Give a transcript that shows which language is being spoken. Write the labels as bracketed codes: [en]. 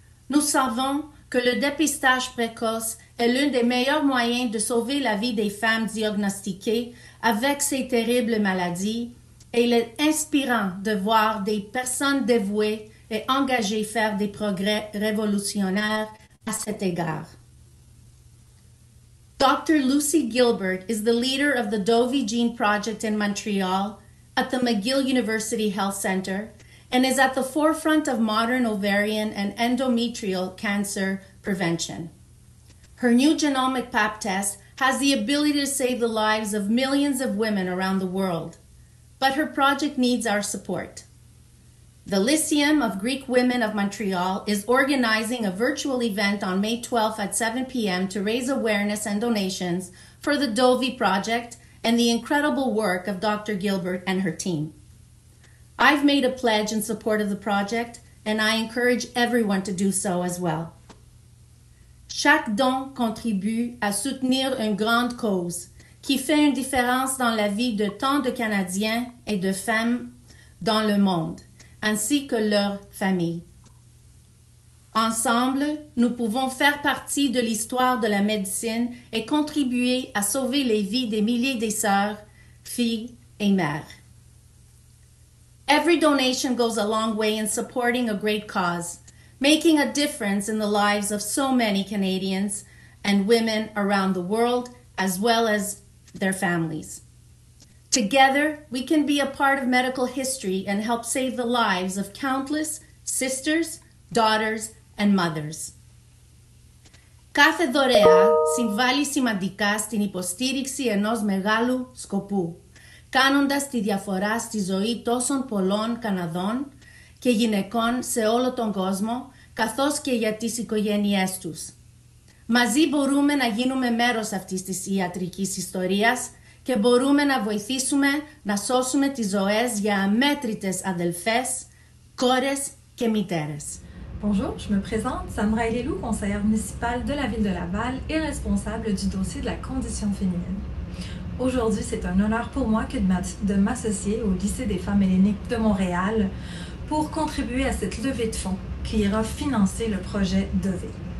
[fr] Nous savons que le dépistage précoce est l'un des meilleurs moyens de sauver la vie des femmes diagnostiquées avec ces terribles maladies et il est inspirant de voir des personnes dévouées et engagées faire des progrès révolutionnaires à cet égard. Dr. [en] Lucy Gilbert is the leader of the DOvEEgene project in Montreal at the McGill University Health Center and is at the forefront of modern ovarian and endometrial cancer prevention. Her new genomic pap test has the ability to save the lives of millions of women around the world, but her project needs our support. The Lyceum of Greek Women of Montreal is organizing a virtual event on May 12th at 7 p.m. to raise awareness and donations for the DOvEE project and the incredible work of Dr. Gilbert and her team. I've made a pledge in support of the project, and I encourage everyone to do so as well. [fr] Chaque don contribue à soutenir une grande cause qui fait une différence dans la vie de tant de Canadiens et de femmes dans le monde, ainsi que leur famille. Ensemble, nous pouvons faire partie de l'histoire de la médecine et contribuer à sauver les vies des milliers de sœurs, filles et mères. [en] Every donation goes a long way in supporting a great cause, making a difference in the lives of so many Canadians and women around the world, as well as their families. Together, we can be a part of medical history and help save the lives of countless sisters, daughters, and mothers. [el] Κάθε δωρεά συμβάλλει σημαντικά στην υποστήριξη ενός μεγάλου σκοπού, κάνοντας τη διαφορά στη ζωή τόσων πολλών Καναδών και γυναικών σε όλο τον κόσμο, καθώς και για τις οικογένειές τους. Μαζί μπορούμε να γίνουμε μέρος αυτής της ιατρικής ιστορίας και μπορούμε να βοηθήσουμε να σώσουμε τις ζωές για αμέτρητες αδελφές, κόρες και μητέρες. [fr] Bonjour, je me présente Samra Elilou, conseillère municipale de la ville de Laval et responsable du dossier de la condition féminine. Aujourd'hui, c'est un honneur pour moi que de m'associer au lycée des femmes héléniques de Montréal pour contribuer à cette levée de fonds qui ira financer le projet DOvEE.